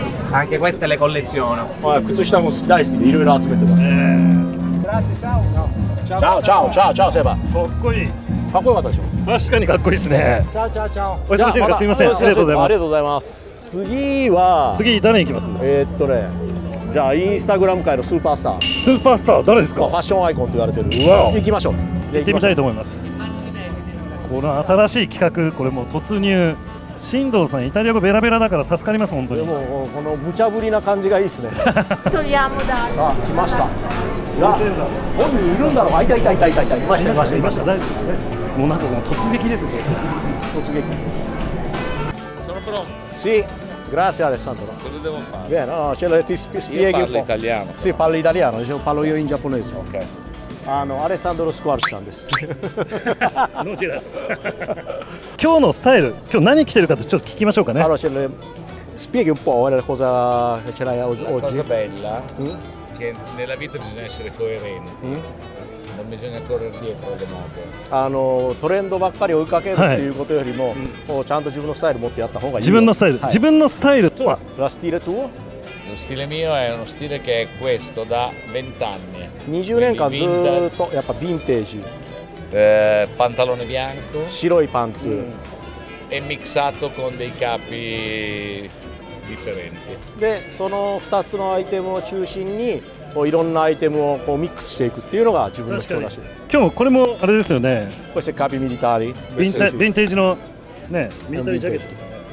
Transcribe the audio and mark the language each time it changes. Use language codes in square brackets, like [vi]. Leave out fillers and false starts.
[it] Anche queste le colleziono. [ja] Poi kutsushita mo daisuki de iroiro atsumete masu. [it] Grazie, ciao. Ciao, ciao, ciao, ciao Seba. Kokkoi. [ja] かっこよかったでしょ。確かにかっこいいですね。チャオチャオチャオ。お忙しい中、ま、すみません。ありがとうございます。ありがとうございます。次は次誰に行きます。ね、じゃあインスタグラム界のスーパースター。スーパースター誰ですか。ファッションアイコンと言われてる。うわ。行きましょう。行ってみたいと思います。この新しい企画、これもう突入。進藤さんイタリア語ベラベラだから助かります本当に。でもこの無茶ぶりな感じがいいですね。トリアムダ。さあ来ました。が本人いるんだろう。あいたいたいたいたいた。いましたいましたいました。もうなんかもう突撃ですね。突撃。 [it] Sono pronto. Sì, grazie Alessandro. Cosa devo fare? Bene, no, ce lo ti spieghi un po'. Parlo italiano. Sì, parlo italiano. Dicevo, parlo io in giapponese. Ok. [ja] Alessandro Squarcian です。どちら？今日のスタイル、今日何着てるかとちょっと聞きましょうかね。 [it] Allora, ce lo spieghi un po' la cosa che ce l'hai oggi. La cosa bella, che nella vita bisogna essere coerenti. Non bisogna correre dietro le mode. [ja] トレンドばっかり追いかけるっていうことよりも、はい、もうちゃんと自分のスタイル持ってやった方がいい。自分のスタイル、はい、自分のスタイルとは。 [it] La stile tuo? Lo stile mio è uno stile che è questo da 20 anni. [ja] 20 年間ずっとやっぱヴィンテージ。 [it] Pantalone bianco. [ja] 白いパンツ。 [it] È mixato con dei capi differenti. [ja] で、その2つのアイテムを中心に。こういろんなアイテムをこうミックスしていくっていうのが自分の人らしいです。今日これもあれですよね。これカビミリタリー、ヴィンテージのね、ミリタリージャケットですよね。